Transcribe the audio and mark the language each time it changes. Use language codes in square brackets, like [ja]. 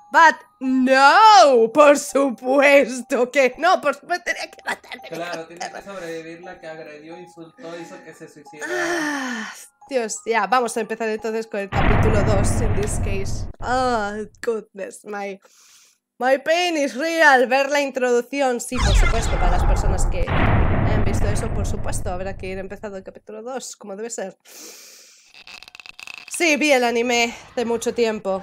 [en] But no, [es] por supuesto que no, por supuesto tenía que matarme. Claro, tiene que sobrevivir la que agredió, insultó, hizo que se suicidara. Ah, Dios, ya, vamos a empezar entonces con el capítulo 2 [en] in this case. Oh, goodness, my pain is real. [es] Ver la introducción, sí, por supuesto, para las personas que... eso, por supuesto, habrá que ir empezando el capítulo 2, como debe ser. Sí, vi el anime de mucho tiempo.